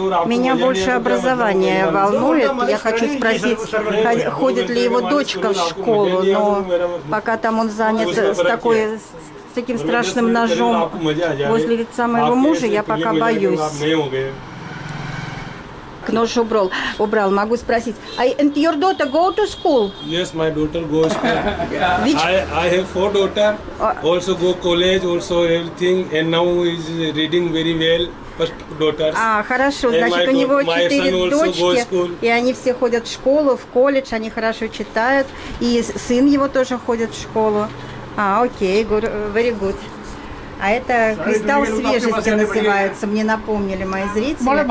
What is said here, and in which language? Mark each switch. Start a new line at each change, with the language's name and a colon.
Russian: Меня больше образование волнует. Я хочу спросить, ходит ли его дочка в школу, но пока там он занят с таким страшным ножом возле лица моего мужа, я пока боюсь. К окно же убрал. Убрал. Могу спросить.
English: And your daughter go to school? Yes, my daughter goes to school. Yeah. Which? I have four daughter. Also go college, also everything. And now is reading very well.
Russian: А, хорошо, значит, у него четыре дочки, и они все ходят в школу, в колледж, они хорошо читают, и сын его тоже ходит в школу. А, окей,
English: very good.
Russian: А это кристалл свежести называется, мне напомнили мои зрители.